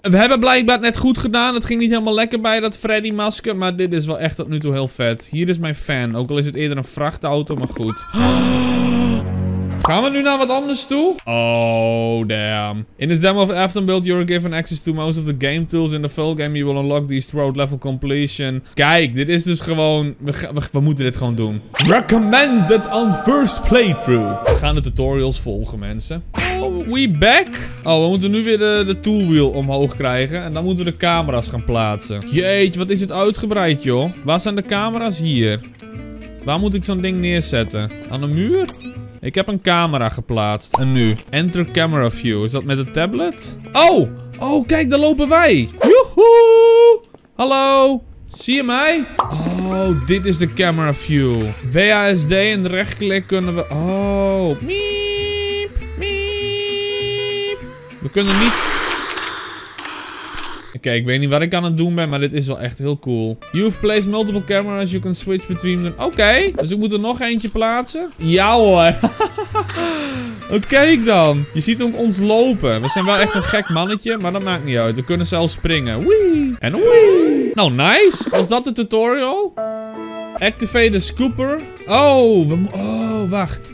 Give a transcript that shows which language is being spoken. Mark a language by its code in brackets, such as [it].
[nl] We hebben blijkbaar het net goed gedaan. Het ging niet helemaal lekker bij dat Freddy masker. Maar dit is wel echt tot nu toe heel vet. Hier is mijn van. Ook al is het eerder een vrachtauto, maar goed. Gaan we nu naar wat anders toe? [en] Oh, damn. In this demo of Afton Build, you're given access to most of the game tools in the full game. You will unlock these throughout level completion. [nl] Kijk, dit is dus gewoon... We moeten dit gewoon doen. [en] Recommended on first playthrough. [nl] We gaan de tutorials volgen, mensen. Oh, [en] we back? [nl] Oh, we moeten nu weer de toolwheel omhoog krijgen. En dan moeten we de camera's gaan plaatsen. Jeetje, wat is het uitgebreid, joh. Waar zijn de camera's hier? Waar moet ik zo'n ding neerzetten? Aan de muur? Ik heb een camera geplaatst. En nu? [en] Enter camera view. [nl] Is dat met de tablet? Oh! Oh, kijk, daar lopen wij! Joehoe! Hallo! Zie je mij? Oh, dit is de camera view. WASD en rechtklik kunnen we... Oh! Miep! Miep! We kunnen niet... Oké, ik weet niet wat ik aan het doen ben, maar dit is wel echt heel cool. [en] You've placed multiple cameras, you can switch between them. [nl] Oké, dus ik moet er nog eentje plaatsen? Ja hoor. Oké, kijk dan. Je ziet hem ons lopen. We zijn wel echt een gek mannetje, maar dat maakt niet uit. We kunnen zelfs springen. Wee. En wee. Nou, nice. Was dat de tutorial? [en] Activate the scooper. [nl] Oh, wacht.